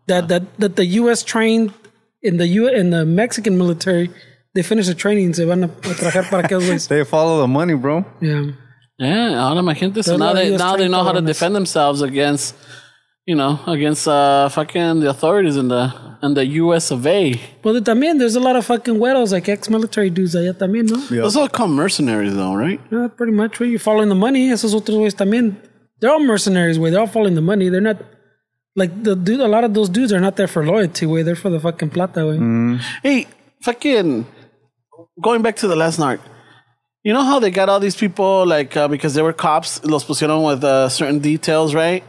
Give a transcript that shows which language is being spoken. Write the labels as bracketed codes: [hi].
[en] that the U.S. trained in the U.S. in the Mexican military. They finish the training. [es] Se van a trabajar para que los. [en] They follow the money, bro. Yeah. Yeah. [es] Ahora [en] my gente. So now they know how to defend themselves against, you know, against fucking the authorities in the U.S. of A. Well, también there's a lot of fucking güeros, like ex-military dudes [es] allá también, no? [en] Yeah. Those are called mercenaries, though, right? [es] Yeah, pretty much. Well, you're following the money. Esos otros güeyes también. [en] They're all mercenaries, güey. They're all following the money. They're not. Like, the dude, a lot of those dudes are not there for loyalty, güey. They're for the fucking plata, güey. Mm. Hey. Fucking going back to the last night, you know how they got all these people like because they were cops, [es] los pusieron [en] with certain details, right?